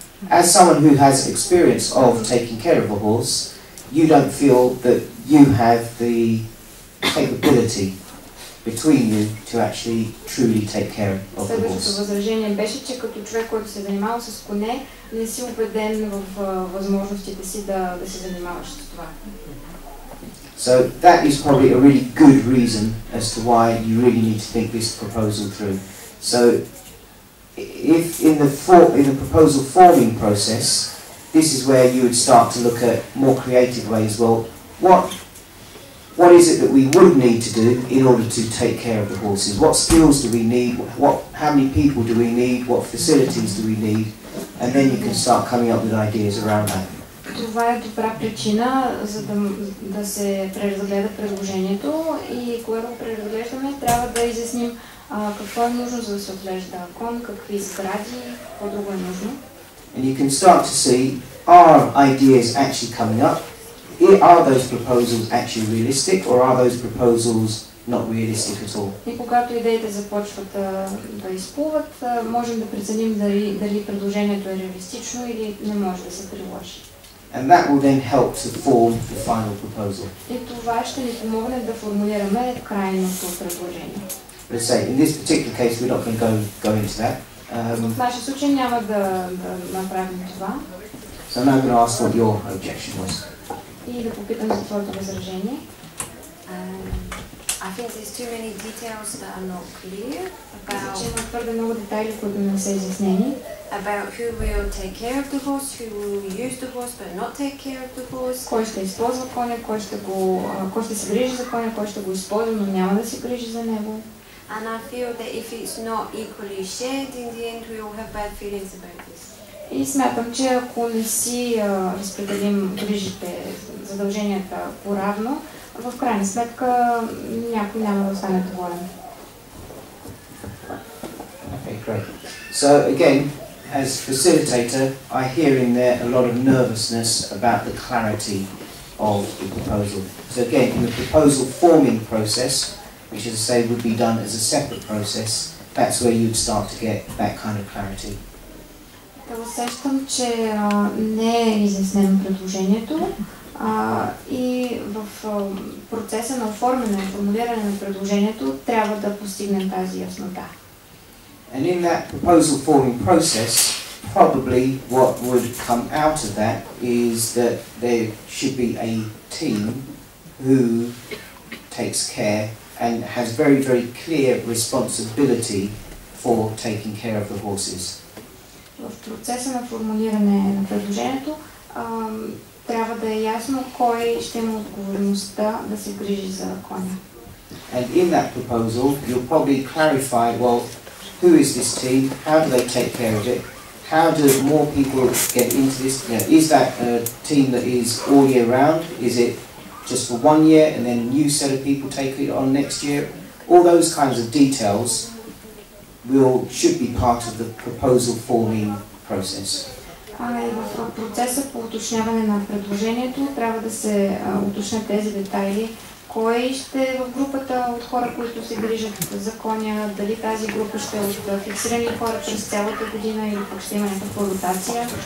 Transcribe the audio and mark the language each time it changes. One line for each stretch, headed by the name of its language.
English: So, as someone who has experience of taking care of a horse, you don't feel that you have the capability between you to actually truly take care of the horse.
Bulgarian: Следващото възражение беше, че като човек, който се занимава с коне, не си убеден в възможностите си да се занимаваш с това.
English: So that is probably a really good reason as to why you really need to think this proposal through. So if in the proposal forming process, this is where you would start to look at more creative ways. Well, what is it that we would need to do in order to take care of the horses? What skills do we need? How many people do we need? What facilities do we need? And then you can start coming up with ideas around that.
Bulgarian: Това е добра причина, за да се преразгледа предложението. И когато преразглеждаме, трябва да изясним какво е нужно, за да се отглежда кон, какви сгради, какво друго е нужно.
English: And you can start to see, are ideas actually coming up? Are those proposals actually realistic, or are those proposals not realistic at all?
Bulgarian: И когато идеите започват да изплуват, можем да преценим дали предложението е реалистично или не може да се приложи.
English: And that will then help to form the final proposal.
Bulgarian: И това ще ни помогне да формулираме крайното предложение.
English: Let's say, in this particular case, we're not going to go into that.
Bulgarian: В нашия случай няма да направим това.
English: So now I'm going to ask what your objection was.
Bulgarian: И да попитам за твоето възражение.
English: I think there's too many details that are not clear.
Bulgarian: Казва, че има твърде много детайли, които не са изяснени.
English: About who will take care of the horse, who will use the horse but not take care of the horse.
Bulgarian: Кой ще използва коня, кой ще се грижи за коня, кой ще го използва, но няма да се грижи за него.
English: And I feel that if it's not equally shared in the end, we will have bad feelings about this.
Bulgarian: И смятам, че ако не си разпределим грижите, задълженията по-равно, в крайна сметка някой няма да остане доволен.
English: Okay, great. So again, as facilitator, I hear in there a lot of nervousness about the clarity of the proposal. So again, in the proposal forming process, which as I say would be done as a separate process, that's where you'd start to get that kind of clarity.
Bulgarian: Да усещам, че не е изяснено предложението и в процеса на оформяне и формулиране на предложението, трябва да постигнем тази яснота.
English: And in that proposal forming process, probably what would come out of that is that there should be a team who takes care and has very, very clear responsibility for taking care of the horses.
Bulgarian: В процеса на формулиране на предложението трябва да е ясно кой ще има отговорността да се грижи за коня.
English: And in that proposal, you'll probably clarify, well, who is this team? How do they take care of it? How do more people get into this? You know, is that a team that is all year round? Is it just for 1 year and then a new set of people take it on next year? All those kinds of details should be part of the proposal forming process.
Bulgarian: В процеса по уточняване на предложението трябва да се уточнят тези детайли. Кой ще е в групата от хора, които се грижат за коня, дали тази група ще е от фиксирани хора през цялата година или пък ще има някаква ротация.